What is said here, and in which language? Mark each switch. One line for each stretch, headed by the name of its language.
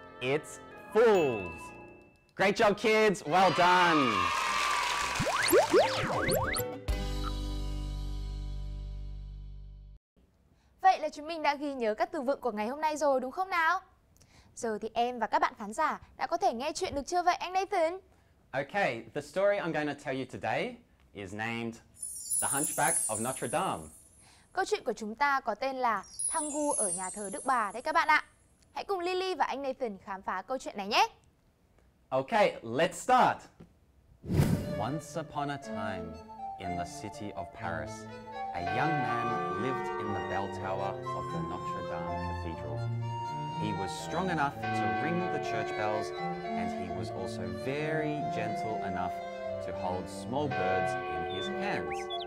English: It's fools. Great job, kids. Well done.
Vietnamese: Vậy là chúng mình đã ghi nhớ các từ vựng của ngày hôm nay rồi, đúng không nào? Giờ thì em và các bạn khán giả đã có thể nghe chuyện được chưa vậy, anh Nathan?
English: Okay, the story I'm going to tell you today is named The Hunchback of Notre Dame.
Vietnamese: Câu chuyện của chúng ta có tên là Thằng gu ở nhà thờ Đức Bà đấy các bạn ạ. Hãy cùng Lily và anh Nathan khám phá câu chuyện này nhé!
English: Okay, let's start! Once upon a time, in the city of Paris, a young man lived in the bell tower of the Notre Dame Cathedral. He was strong enough to ring the church bells, and he was also very gentle enough to hold small birds in his hands.